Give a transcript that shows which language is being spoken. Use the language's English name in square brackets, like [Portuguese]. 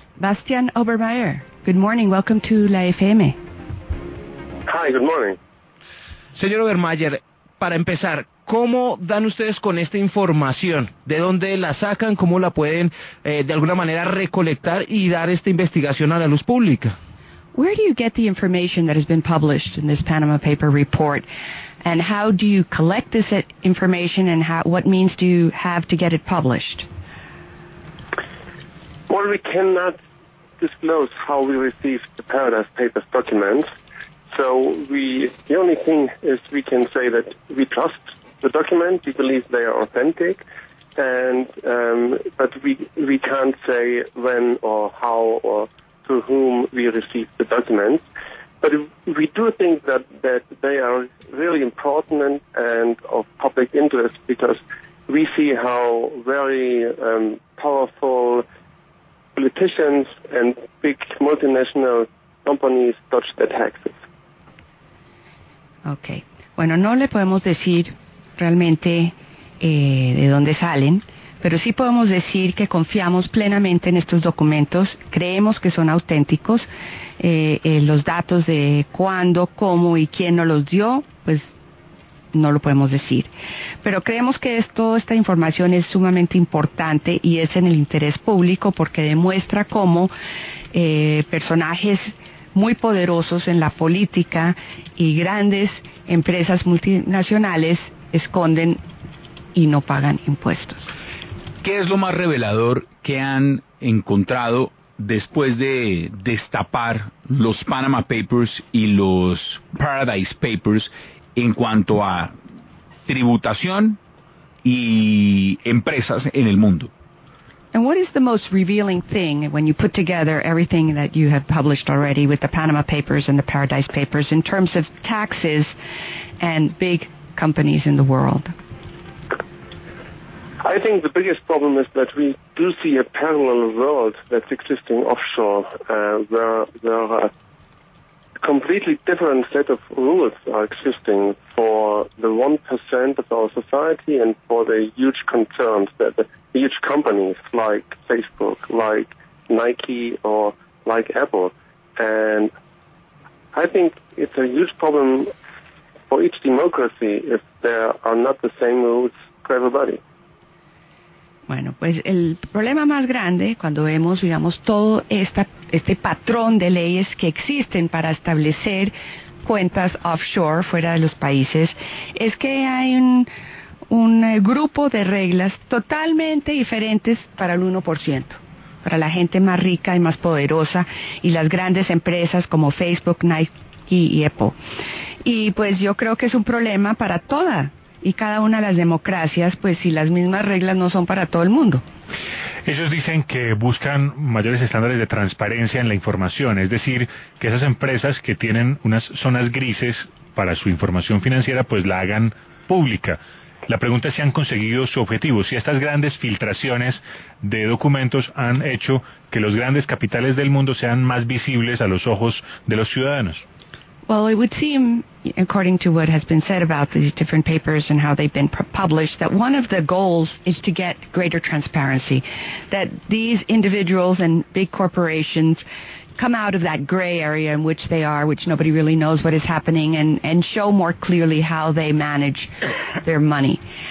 [English] Bastian Obermayer, good morning, welcome to la FM. Hi, good morning. [Spanish] Señor Obermayer, para empezar, ¿cómo dan ustedes con esta información? ¿De dónde la sacan? ¿Cómo la pueden, de alguna manera, recolectar y dar esta investigación a la luz pública? [English] Where do you get the information that has been published in this Panama Paper report? And how do you collect this information and what means do you have to get it published? Well, we cannot disclose how we received the Paradise Papers documents. So the only thing is we can say that we trust the document, we believe they are authentic, but we can't say when or how or to whom we received the documents. But we do think that they are really important and of public interest because we see how very powerful politicians and big multinational companies dodge their taxes. Okay. [Spanish] Bueno, no le podemos decir realmente de dónde salen, pero sí podemos decir que confiamos plenamente en estos documentos, creemos que son auténticos, los datos de cuándo, cómo y quién nos los dio, pues no lo podemos decir. Pero creemos que esta información es sumamente importante y es en el interés público porque demuestra cómo personajes muy poderosos en la política y grandes empresas multinacionales esconden y no pagan impuestos. ¿Qué es lo más revelador que han encontrado después de destapar los Panama Papers y los Paradise Papers en cuanto a tributación y empresas en el mundo? [English] And what is the most revealing thing when you put together everything that you have published already with the Panama Papers and the Paradise Papers in terms of taxes and big companies in the world? I think the biggest problem is that we do see a parallel world that's existing offshore where there are completely different set of rules are existing for the 1% of our society and for the huge concerns that the huge companies like Facebook, like Nike or like Apple. And I think it's a huge problem for each democracy if there are not the same rules for everybody. [Spanish] Bueno, pues el problema más grande cuando vemos, digamos, todo este patrón de leyes que existen para establecer cuentas offshore fuera de los países es que hay un grupo de reglas totalmente diferentes para el 1%, para la gente más rica y más poderosa y las grandes empresas como Facebook, Nike y Apple. Y pues yo creo que es un problema para toda y cada una de las democracias, pues si las mismas reglas no son para todo el mundo. Ellos dicen que buscan mayores estándares de transparencia en la información, es decir, que esas empresas que tienen unas zonas grises para su información financiera, pues la hagan pública. La pregunta es si han conseguido su objetivo, si estas grandes filtraciones de documentos han hecho que los grandes capitales del mundo sean más visibles a los ojos de los ciudadanos. [English] Well, it would seem, according to what has been said about these different papers and how they've been published, that one of the goals is to get greater transparency, that these individuals and big corporations come out of that gray area in which they are, which nobody really knows what is happening, and show more clearly how they manage their money.